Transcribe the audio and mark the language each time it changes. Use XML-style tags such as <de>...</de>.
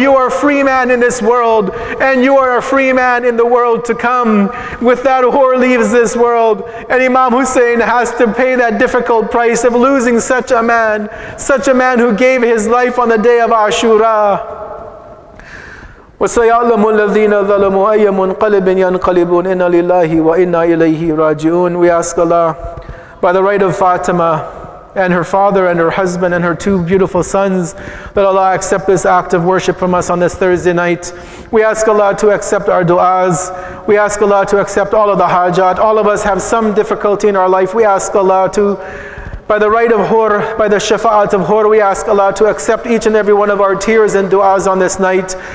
<en>You are a free man in this world, and you are a free man in the world to come. With that, Hur leaves this world, and Imam Hussein has to pay that difficult price of losing such a man who gave his life on the day of Ashura.</en> <ar>وَسَيَعْلَمُ الَّذِينَ ظَلَمُوا أَيَّ مُنْقَلِبٍ يَنْقَلِبُونَ إِنَّ لِلَّهِ وَإِنَّا إِلَيْهِ رَاجِعُونَ.</ar> <en>We ask Allah, by the right of Fatima, and her father and her husband and her two beautiful sons, that Allah accept this act of worship from us on this Thursday night. We ask Allah to accept our du'as. We ask Allah to accept all of the hajat. All of us have some difficulty in our life. We ask Allah to, by the right of Hur, by the shafa'at of Hur, we ask Allah to accept each and every one of our tears and du'as on this night.</en>